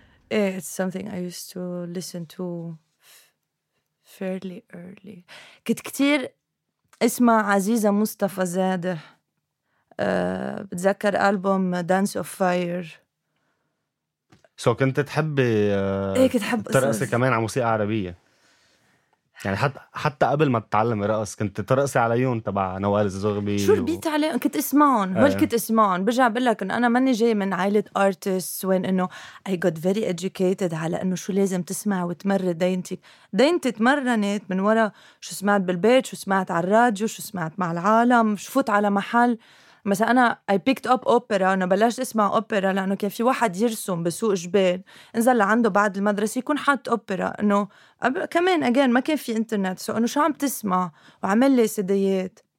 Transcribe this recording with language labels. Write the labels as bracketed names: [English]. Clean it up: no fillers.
[English] It's something I used to listen to fairly early. [Arabic] كنت كتير اسمع عزيزة مصطفى زادة. بتذكر ألبوم Dance of Fire. سو كنت تحبي ترقصي كمان على موسيقى عربية يعني حتى قبل ما تتعلم الرقص كنت ترقصي عليهم تبع نوال الزغبي شو ربيت عليهم كنت اسمعهم هل كنت اسمعهم برجع بقلك أنا ماني جاي من عائلة artists وين أنه I got very educated على أنه شو لازم تسمع وتمرر دينتي تمرنت من ورا شو سمعت بالبيت شو سمعت على الراديو شو سمعت مع العالم شو فوت على محل مثلا انا اي بيكت اب اوبرا انا بلشت اسمع اوبرا لانه كان في واحد يرسم بسوق جبال انزل لعنده بعد المدرسه يكون حاط اوبرا انه كمان اجين ما كان في انترنت سو انه شو عم تسمع وعمل لي سديات